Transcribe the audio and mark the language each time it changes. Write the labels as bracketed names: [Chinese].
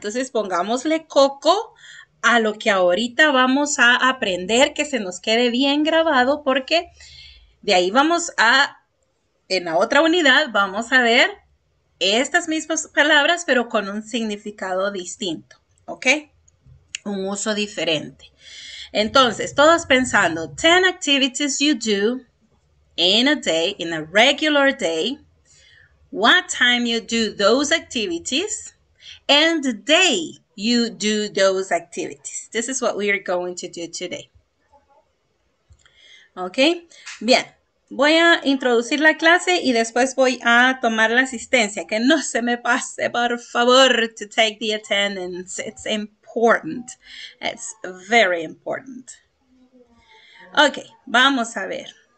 [Spanish] Entonces, pongámosle coco a lo que ahorita vamos a aprender, que se nos quede bien grabado, porque de ahí vamos a, en la otra unidad, vamos a ver estas mismas palabras, pero con un significado distinto, ¿ok? Un uso diferente. Entonces, todos pensando, [English] 10 activities you do in a day, in a regular day, what time you do those activities, and the day you do those activities. This is what we are going to do today. [Spanish] ¿Ok? Bien. Voy a introducir la clase y después voy a tomar la asistencia. Que no se me pase, por favor, [English] to take the attendance. It's important. It's very important. [Spanish] Ok, vamos a ver.